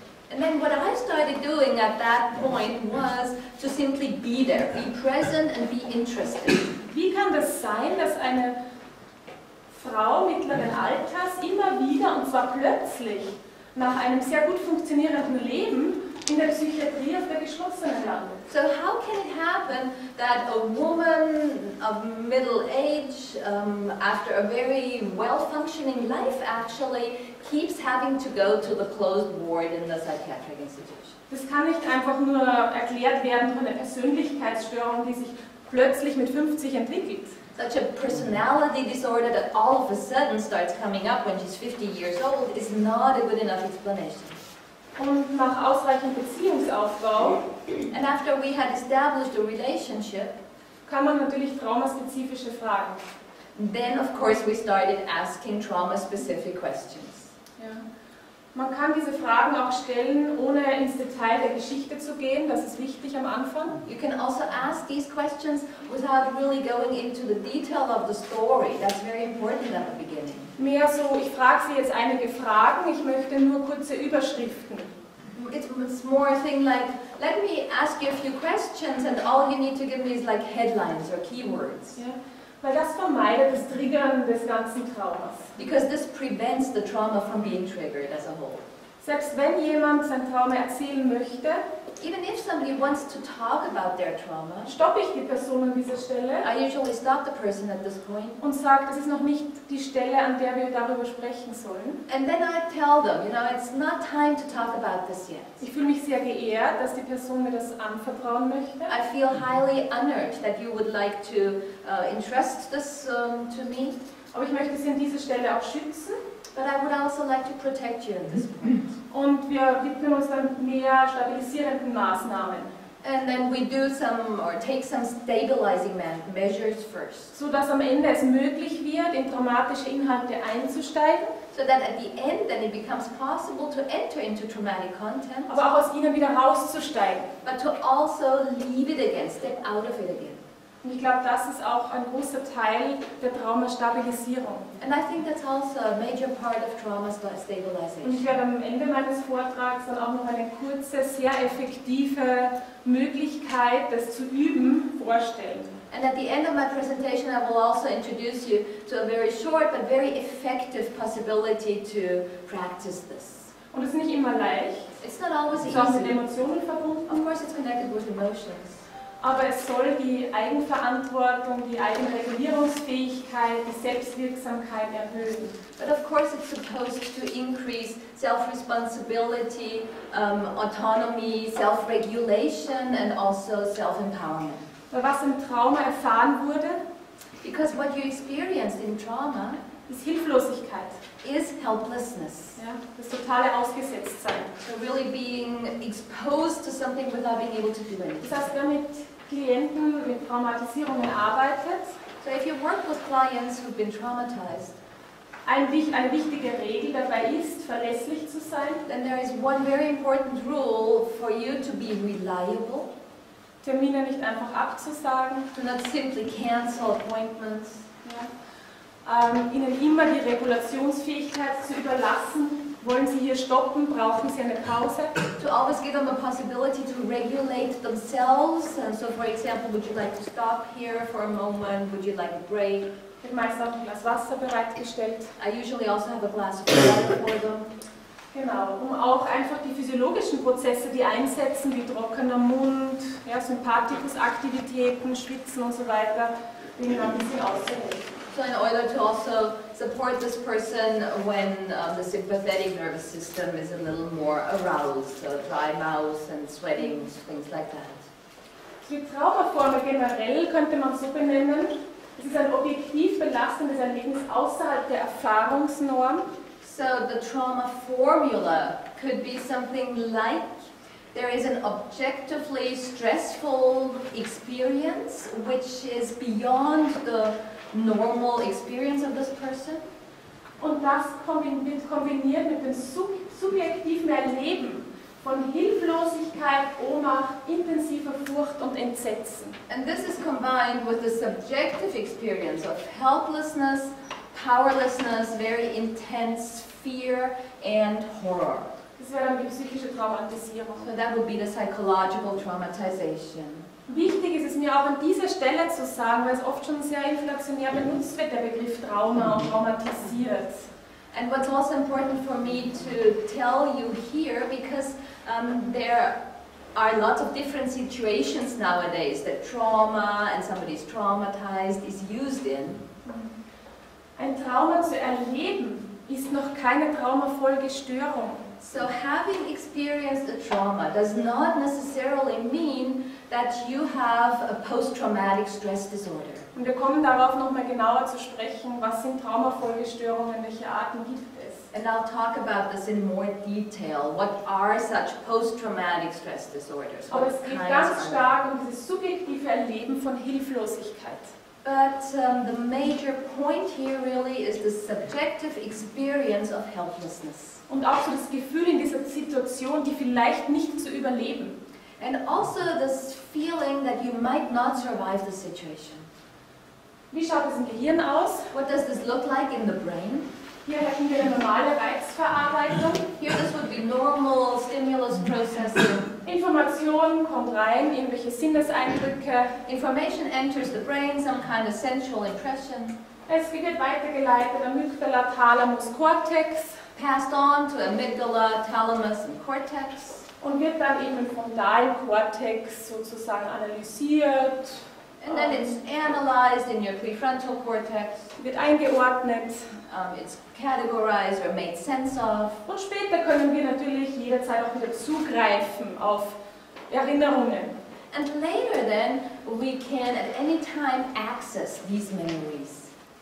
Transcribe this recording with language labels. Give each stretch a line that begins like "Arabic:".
English: And then what I started doing at that point was to simply be there, be present and be interested.
German: Wie kann das sein, dass eine Frau mittleren Alters immer wieder, und zwar plötzlich, nach einem sehr gut funktionierenden Leben in der Psychiatrie auf der geschlossenen landet?
English: So how can it happen that a woman of middle age, after a very well-functioning life actually, keeps having to go to the closed ward in the psychiatric institution?
German: Das kann nicht einfach nur erklärt werden durch eine Persönlichkeitsstörung, die sich plötzlich mit 50 entwickelt.
English: Such a personality disorder that all of a sudden starts coming up when she's 50 years old is not a good enough explanation.
German: Und nach ausreichend Beziehungsaufbau,
English: and after we had established a relationship,
German: kann man natürlich traumaspezifische Fragen.
English: Then of course we started asking trauma-specific questions.
German: Ja. Man kann diese Fragen auch stellen, ohne ins Detail der Geschichte zu gehen. Das ist wichtig am Anfang.
English: You can also ask these questions without really going into the detail of the story. That's very important at the beginning.
German: Mehr so, ich frage Sie jetzt einige Fragen, ich möchte nur kurze Überschriften.
English: It's more a thing like, let me ask you a few questions and all you need to give me is like headlines or keywords.
German: Ja. Weil das vermeidet das Triggern des ganzen Traumas.
English: Because this prevents the trauma from being triggered as a whole.
German: Selbst wenn jemand sein Trauma erzählen möchte,
English: even if somebody wants to talk about their trauma,
German: stoppe ich die Person an dieser Stelle.
English: I usually stop the person at this point.
German: Und sage, das ist noch nicht die Stelle, an der wir darüber sprechen sollen.
English: And then I tell them, you know, it's not time to talk about this yet.
German: Ich fühle mich sehr geehrt, dass die Person mir das anvertrauen möchte.
English: I feel highly honored that you would like to entrust this to me.
German: Aber ich möchte Sie an dieser Stelle auch schützen.
English: But I would also like to protect you at this point.
German: Und wir widmen uns dann mehr stabilisierenden Maßnahmen.
English: And then we do some or take some stabilizing measures first.
German: So dass am Ende es möglich wird, in traumatische Inhalte einzusteigen.
English: So that at the end then it becomes possible to enter into traumatic content.
German: Aber auch aus ihnen wieder rauszusteigen.
English: But to also leave it again, step out of it again.
German: Und ich glaube, das ist auch ein großer Teil der Traumastabilisierung.
English: And I think that's also a major part of trauma stabilization.
German: Und ich werde am Ende meines Vortrags dann auch noch eine kurze, sehr effektive Möglichkeit, das zu üben, vorstellen.
English: And at the end of my presentation, I will also introduce you to a very short but very effective possibility to practice this.
German: Und es ist nicht immer leicht.
English: It's not always easy.
German: Es ist auch mit Emotionen verbunden.
English: Of course, it's connected with emotions.
German: Aber es soll die Eigenverantwortung, die Eigenregulierungsfähigkeit, die Selbstwirksamkeit erhöhen.
English: But of course it's supposed to increase self-responsibility, autonomy, self-regulation and also self-empowerment.
German: Weil was im Trauma erfahren wurde?
English: Because what you experienced in trauma
German: ist Hilflosigkeit.
English: Is helplessness.
German: Ja, das totale Ausgesetztsein.
English: So really being exposed to something without being able to do anything.
German: Das heißt, wenn mit Klienten mit Traumatisierungen arbeitet.
English: So if you work with clients who've been traumatized.
German: Eine wichtige Regel dabei ist, verlässlich zu sein.
English: Then there is one very important rule for you to be reliable.
German: Termine nicht einfach abzusagen.
English: Do not simply cancel appointments.
German: Ja. Ihnen immer die Regulationsfähigkeit zu überlassen. Wollen Sie hier stoppen? Brauchen Sie eine Pause?
English: To always give them a possibility to regulate themselves. So for example, would you like to stop here for a moment? Would you like a break?
German: Ich habe meistens auch ein Glas Wasser bereitgestellt.
English: I usually also have a glass of water for them.
German: Genau, um auch einfach die physiologischen Prozesse, die einsetzen, wie trockener Mund, ja, Sympathikusaktivitäten, Schwitzen und so weiter, den ein bisschen auszuhelfen.
English: So in order to also support this person when the sympathetic nervous system is a little more aroused, so dry mouth and sweating, things like that.
German: Die Traumaformen generell könnte man so benennen. Es ist ein objektiv belastendes Erlebnis außerhalb der Erfahrungsnorm.
English: So the trauma formula could be something like there is an objectively stressful experience which is beyond the normal experience of this person.
German: Und das wird kombiniert mit dem subjektiven Erleben von Hilflosigkeit, Ohnmacht, intensiver Furcht und Entsetzen.
English: And this is combined with the subjective experience of helplessness, powerlessness, very intense fear and horror.
German: Das wäre dann die psychische Traumatisierung.
English: So that would be the psychological traumatization.
German: Wichtig ist es mir auch an dieser Stelle zu sagen, weil es oft schon sehr inflationär benutzt wird, der Begriff Trauma und traumatisiert.
English: And what's also important for me to tell you here, because there are lots of different situations nowadays that trauma and somebody's traumatized is used in.
German: Ein Trauma zu erleben ist noch keine Traumafolgestörung.
English: So having experienced a trauma does not necessarily mean that you have a post-traumatic stress disorder.
German: Und wir kommen darauf noch mal genauer zu sprechen, was sind Traumafolgestörungen, welche Arten gibt es?
English: And I'll talk about this in more detail. What are such post-traumatic stress disorders?
German: Aber es geht ganz stark um dieses subjektive Erleben von Hilflosigkeit.
English: But the major point here really is the subjective experience of helplessness.
German: Und auch so das Gefühl in dieser Situation, die vielleicht nicht zu überleben.
English: And also this feeling that you might not survive the situation.
German: Wie schaut es im Gehirn aus?
English: What does this look like in the brain?
German: Hier hätten wir eine normale Reizverarbeitung.
English: Here this would be normal stimulus processing.
German: Information kommt rein, irgendwelche Sinneseindrücke.
English: Information enters the brain, some kind of sensual impression.
German: Es wird weitergeleitet, Amygdala, Thalamus, Cortex.
English: Passed on to amygdala, thalamus and cortex.
German: Und wird dann eben im Frontalkortex sozusagen analysiert.
English: And then it's analyzed in your prefrontal cortex.
German: Wird eingeordnet.
English: It's categorized or made sense of.
German: Und später können wir natürlich jederzeit auch wieder zugreifen auf Erinnerungen.
English: And later then, we can at any time access these memories.